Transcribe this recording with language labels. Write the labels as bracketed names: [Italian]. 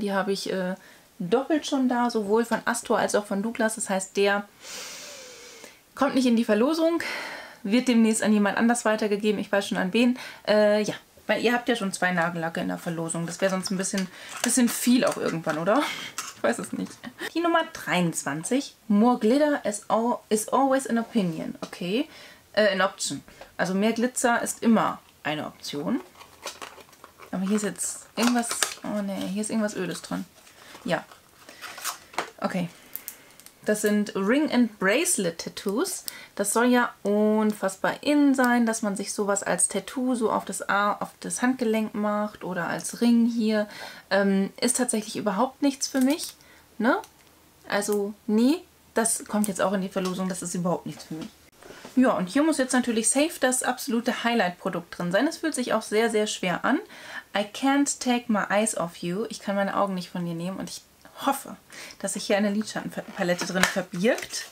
[German] Die habe ich doppelt schon da, sowohl von Astor als auch von Douglas. Das heißt, der kommt nicht in die Verlosung, wird demnächst an jemand anders weitergegeben. Ich weiß schon an wen. Ja. Weil ihr habt ja schon zwei Nagellacke in der Verlosung. Das wäre sonst ein bisschen viel auch irgendwann, oder? Ich weiß es nicht. Die Nummer 23. [English] More glitter is always an opinion. Okay. An option. [German] Also mehr Glitzer ist immer eine Option. Aber hier ist jetzt irgendwas... Oh nee, hier ist irgendwas Ödes drin. Ja. Okay. Das sind Ring and Bracelet Tattoos. Das soll ja unfassbar in sein, dass man sich sowas als Tattoo so auf das Handgelenk macht oder als Ring hier. Ist tatsächlich überhaupt nichts für mich. Ne? Also, nee, das kommt jetzt auch in die Verlosung. Das ist überhaupt nichts für mich. Ja, und hier muss jetzt natürlich safe das absolute Highlight-Produkt drin sein. Es fühlt sich auch sehr, sehr schwer an. [English] I can't take my eyes off you. [German] Ich kann meine Augen nicht von dir nehmen und ich hoffe, dass sich hier eine Lidschattenpalette drin verbirgt.